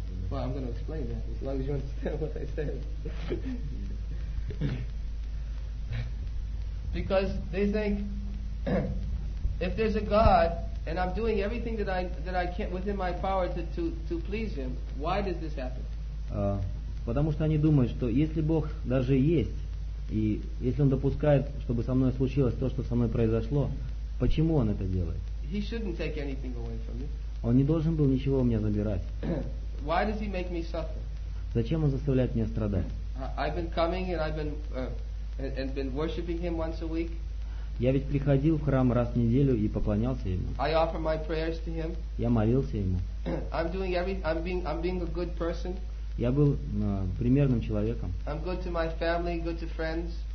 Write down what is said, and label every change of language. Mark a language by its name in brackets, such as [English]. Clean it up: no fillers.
[English] well, I'm going to explain that as long as you understand what I said. Because they think if there's a God and I'm doing everything that I can within my power to please Him, why does this happen? [Russian] Потому что они думают, что если Бог даже есть и если Он допускает, чтобы со мной случилось то, что со мной произошло, почему Он это делает? [English] He shouldn't take anything away from me. [Russian] Он не должен был ничего у меня забирать. [English] Why does he make me suffer? [Russian] Зачем он заставляет меня страдать? [English] I've been coming and I've been worshiping him once a week. [Russian] Я ведь приходил в храм раз в неделю и поклонялся ему. [English] I offer my prayers to him. [Russian] Я молился ему. [English] I'm being a good person. [Russian] Я был примерным человеком. [English] I'm good to my family, good to friends.